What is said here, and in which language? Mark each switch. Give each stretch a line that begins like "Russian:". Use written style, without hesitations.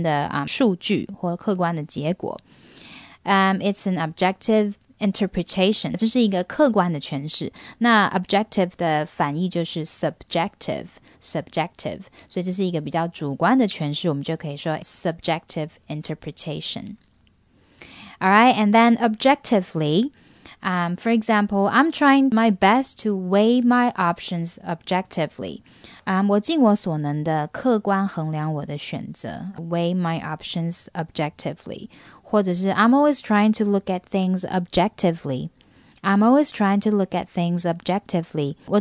Chinese: 这是客观的数据或客观的结果.
English: It's an objective interpretation.
Chinese: 这是一个客观的诠释. 那 objective 的反义就是 subjective. Subjective. 所以这是一个比较主观的诠释. 我们就可以说
English: subjective interpretation. Alright, and then objectively, for example, I'm trying my best to weigh my options objectively.
Chinese: 我尽我所能的客观衡量我的选择.
English: Weigh my options objectively.
Chinese: 或者是
English: I'm always trying to look at things objectively. I'm always trying to look at things objectively.